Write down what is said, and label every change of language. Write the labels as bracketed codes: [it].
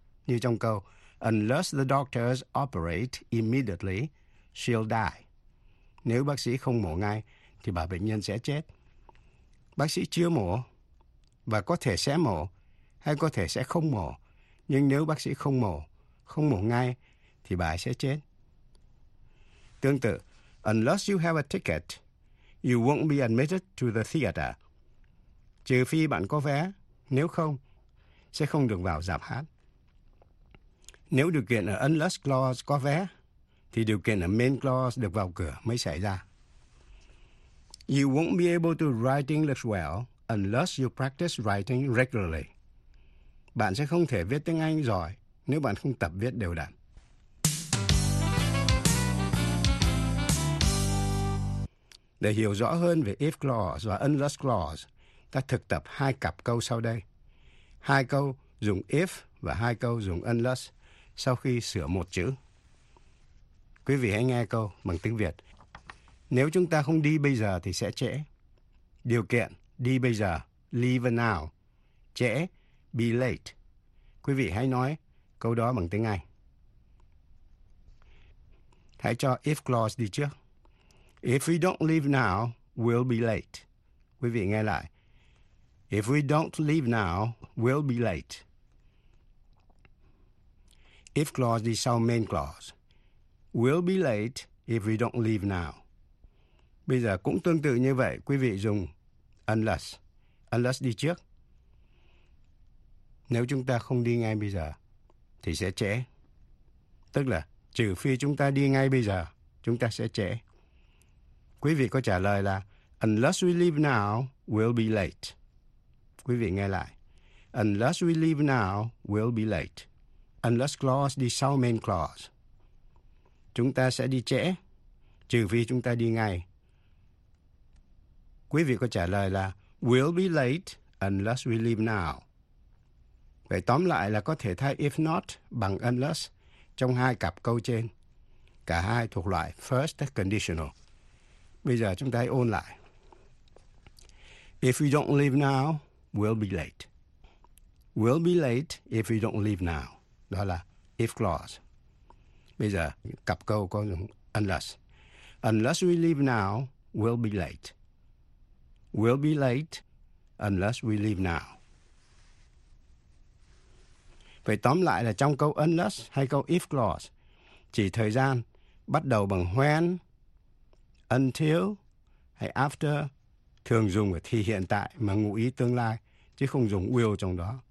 [vi] Như trong câu, [en] unless the doctors operate immediately, she'll die. [vi] Nếu bác sĩ không mổ ngay, thì bà bệnh nhân sẽ chết. Bác sĩ chưa mổ, và có thể sẽ mổ, hay có thể sẽ không mổ. Nhưng nếu bác sĩ không mổ ngay, thì bà ấy sẽ chết. Tương tự, [en] unless you have a ticket, you won't be admitted to the theater. [vi] Trừ phi bạn có vé, nếu không, sẽ không được vào rạp hát. Nếu điều kiện ở Unless Clause có vé, thì điều kiện ở Main Clause được vào cửa mới xảy ra. [en] You won't be able to write English well unless you practice writing regularly. [vi] Bạn sẽ không thể viết tiếng Anh giỏi nếu bạn không tập viết đều đặn. Để hiểu rõ hơn về If Clause và Unless Clause, ta thực tập hai cặp câu sau đây. Hai câu dùng If và hai câu dùng Unless sau khi sửa một chữ. Quý vị hãy nghe câu bằng tiếng Việt. Nếu chúng ta không đi bây giờ thì sẽ trễ. Điều kiện đi bây giờ, leave now. Trễ, be late. Quý vị hãy nói câu đó bằng tiếng Anh. Hãy cho If Clause đi trước. [en] If we don't leave now, we'll be late. [vi] Quý vị nghe lại. [en] If we don't leave now, we'll be late. If clause đi sau main clause. We'll be late if we don't leave now. [vi] Bây giờ cũng tương tự như vậy, quý vị dùng unless. Unless đi trước. Nếu chúng ta không đi ngay bây giờ, thì sẽ trễ. Tức là trừ phi chúng ta đi ngay bây giờ, chúng ta sẽ trễ. Quý vị có trả lời là [en] unless we leave now, we'll be late. [vi] Quý vị nghe lại. [en] Unless we leave now, we'll be late. Unless clause đi sau main clause. [vi] Chúng ta sẽ đi trễ, trừ phi chúng ta đi ngay. Quý vị có trả lời là [en] we'll be late unless we leave now. [vi] Vậy tóm lại là có thể thay if not bằng unless trong hai cặp câu trên. Cả hai thuộc loại first conditional. Bây giờ chúng ta hãy ôn lại. [en] If we don't leave now, we'll be late. We'll be late if we don't leave now. [vi] Đó là if clause. Bây giờ cặp câu có dùng unless. [en] Unless we leave now, we'll be late. We'll be late unless we leave now. [vi] Vậy tóm lại là trong câu unless hay câu if clause, chỉ thời gian bắt đầu bằng when, until hay after thường dùng ở thì hiện tại mà ngụ ý tương lai, chứ không dùng will trong đó.